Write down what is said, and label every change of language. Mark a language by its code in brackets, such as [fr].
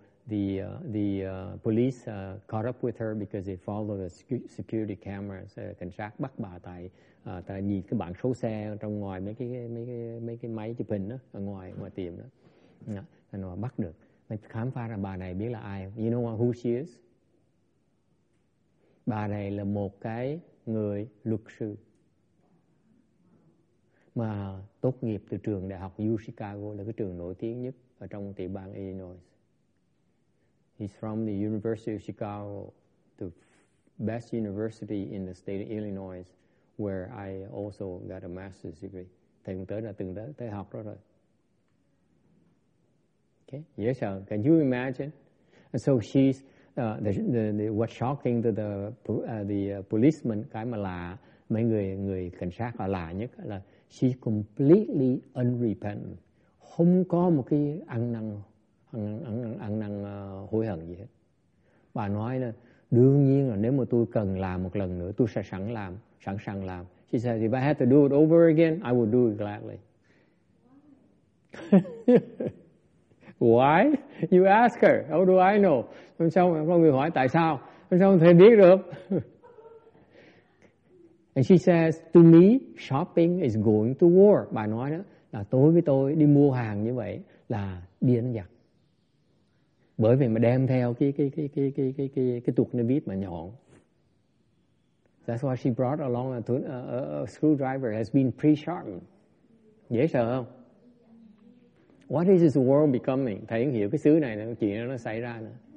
[en] So the police caught up with her because they followed the security cameras. [vi] Cảnh sát bắt bà tại nhìn cái bảng số xe trong ngoài mấy cái máy chụp hình đó ở ngoài tiệm đó. Nên họ bắt được. Mới khám phá ra bà này biết là ai. [en] You know who she is? [vi] Bà này là một cái người luật sư mà tốt nghiệp từ trường đại học U Chicago, là cái trường nổi tiếng nhất ở trong tiểu bang Illinois. [en] He's from the University of Chicago, the best university in the state of Illinois, where I also got a master's degree. [vi] Thầy cũng tới là từng tới học đó rồi. [en] Okay, yes, sir. Can you imagine? And so she's the what's shocking to the policeman, [vi] cái mà lạ mấy người cảnh sát họ lạ nhất là [en] she's completely unrepentant. [vi] Không có một cái ăn năn, ăn năn hối hận gì hết. Bà nói là đương nhiên là nếu mà tôi cần làm một lần nữa, tôi sẽ sẵn sàng làm. [en] She said, if I had to do it over again, I would do it gladly. Why? You ask her. How do I know? [vi] Hôm sau có người hỏi tại sao? Hôm sau thầy biết được. [en] And she says, to me, shopping is going to war. [vi] Bà nói đó, là tối với tôi đi mua hàng như vậy là đi đánh giặc. Bởi vì mà đem theo cái tuột nó biết mà nhọn. [en] That's why she brought along a screwdriver has been pre-sharpened. [vi] Dễ sợ không? [en] What is this world becoming? [vi] Thầy hiểu cái xứ này, chuyện nó xảy ra nữa.